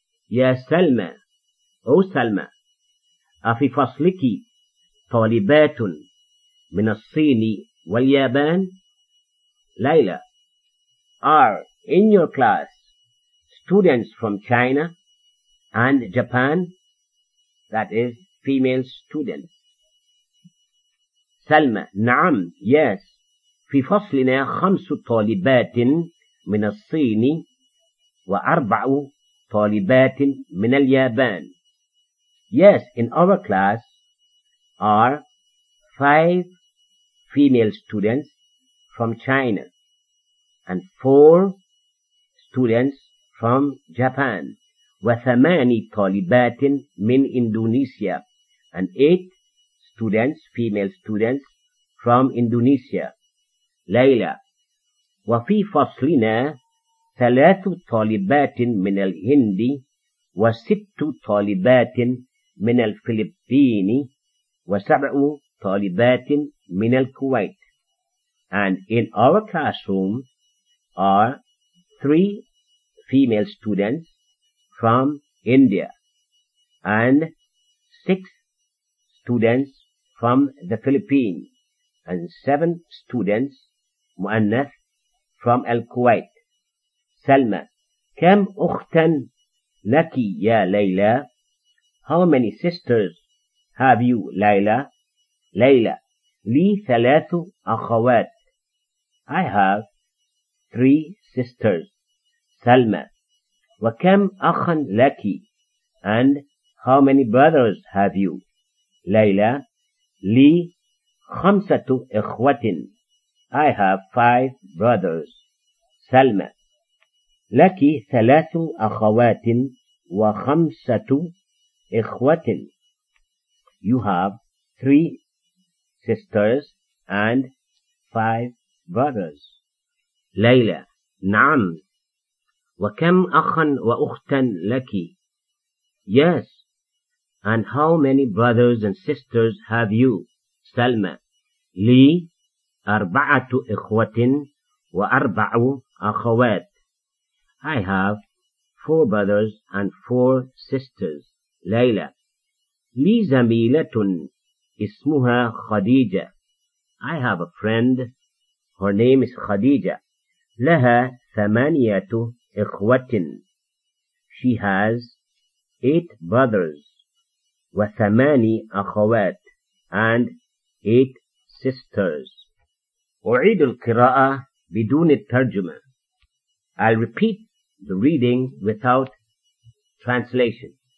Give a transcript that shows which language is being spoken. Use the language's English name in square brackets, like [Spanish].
[Arabic] يا سلمى، أو سلمى، أفي فصلك طالبات من الصين واليابان؟ ليلى: [English] Are in your class students from China and Japan? That is female students. [Arabic] سلمى: نعم، yes، في فصلنا 5 طالبات من الصين و4 طالبات من اليابان. [English] Yes, in our class are 5 female students from China and 4 students from Japan [Arabic] و8 طالبات من إندونيسيا [English] and 8 students, female students from Indonesia. [Arabic] ليلى: وفي فصلنا 3 طالبات من الهند و6 طالبات من الفلبين و7 طالبات من الكويت. [English] And in our classroom are 3 female students from India and 6 students from the Philippines and 7 students مؤنث from الكويت. [Arabic] سلمى: كم أختا لك يا ليلى؟ [English] How many sisters have you, [Arabic] ليلى؟ ليلى: لي 3 أخوات. [English] I have 3 sisters. سلمى: [Arabic] وكم أخا لك؟ [English] And how many brothers have you? [Arabic] ليلى: لي 5 إخوة. [English] I have 5 brothers. [Arabic] سلمى: لك 3 أخوات و5 إخوة. [English] You have 3 sisters and 5 brothers. ليلى: [Arabic] نعم، وكم أخا وأختا لك؟ [English] Yes, and how many brothers and sisters have you? [Arabic] سلمى: لي 4 إخوة و4 أخوات. [English] I have 4 brothers and 4 sisters. [Arabic] ليلى: لي زميلة اسمها خديجة. [English] I have a friend. Her name is خديجة. [Arabic] لها 8 إخوة. [English] She has 8 brothers. [Arabic] و8 أخوات. [English] And 8 sisters. [Arabic] أعيد القراءة بدون الترجمة. [English] I'll repeat the reading without translation.